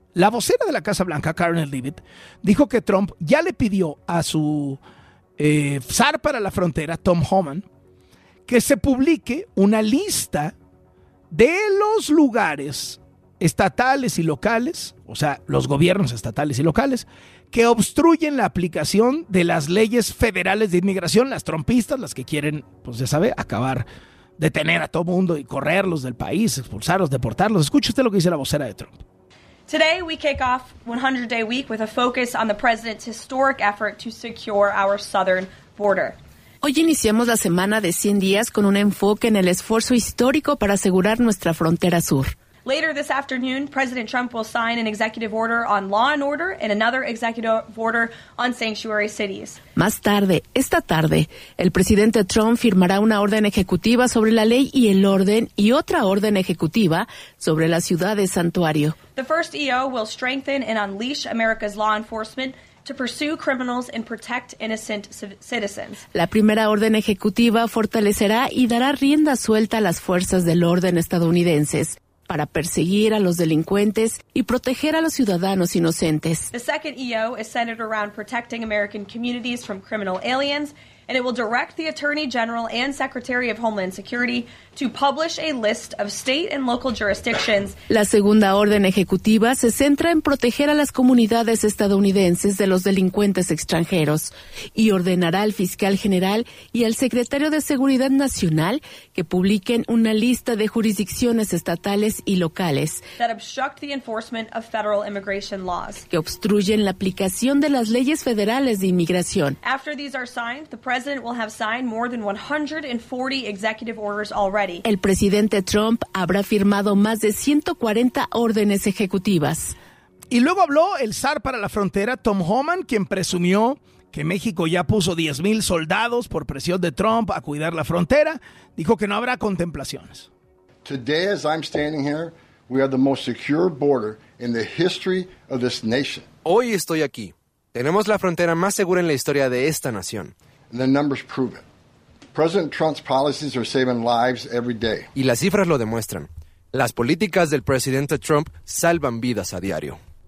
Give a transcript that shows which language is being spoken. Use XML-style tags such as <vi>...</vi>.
<es>La vocera de la Casa Blanca, Karen Leavitt, dijo que Trump ya le pidió a su zar para la frontera, Tom Homan, que se publique una lista de los lugares estatales y locales, o sea, los gobiernos estatales y locales, que obstruyen la aplicación de las leyes federales de inmigración, las trumpistas, las que quieren, pues ya sabe, acabar, detener a todo mundo y correrlos del país, expulsarlos, deportarlos. Escuche usted lo que dice la vocera de Trump.</es> <en>Today we kick off 100 Day Week with a focus on the president's historic effort to secure our southern border.</en> <es>Hoy iniciamos la semana de 100 días con un enfoque en el esfuerzo histórico para asegurar nuestra frontera sur.</es> <en>Later this afternoon, President Trump will sign an executive order on law and order and another executive order on sanctuary cities.</en> <es>Más tarde, esta tarde, el presidente Trump firmará una orden ejecutiva sobre la ley y el orden y otra orden ejecutiva sobre las ciudades santuario.</es> <en>The first EO will strengthen and unleash America's law enforcement to pursue criminals and protect innocent citizens.</en> <es>La primera orden ejecutiva fortalecerá y dará rienda suelta a las fuerzas del orden estadounidenses para perseguir a los delincuentes y proteger a los ciudadanos inocentes.</es> <en>The second EO is centered around protecting American communities from criminal aliens, and it will direct the Attorney General and Secretary of Homeland Security to publish a list of state and local jurisdictions.</en> <es>La segunda orden ejecutiva se centra en proteger a las comunidades estadounidenses de los delincuentes extranjeros y ordenará al Fiscal General y al Secretario de Seguridad Nacional que publiquen una lista de jurisdicciones estatales y locales</es> <en>that obstruct the enforcement of federal immigration laws.</en> <es>Que obstruyen la aplicación de las leyes federales de inmigración.</es> <en>After these are signed, the President will have signed more than 140 executive orders already.</en> <es>El presidente Trump habrá firmado más de 140 órdenes ejecutivas. Y luego habló el zar para la frontera, Tom Homan, quien presumió que México ya puso 10,000 soldados por presión de Trump a cuidar la frontera. Dijo que no habrá contemplaciones.</es> <en>Today, as I'm standing here, we have the most secure border in the history of this nation.</en> <es>Hoy estoy aquí. Tenemos la frontera más segura en la historia de esta nación.</es> <en>The numbers prove it. President Trump's policies are saving lives every day.</en> <es>Y las cifras lo demuestran. Las políticas del presidente Trump salvan vidas a diario.</es>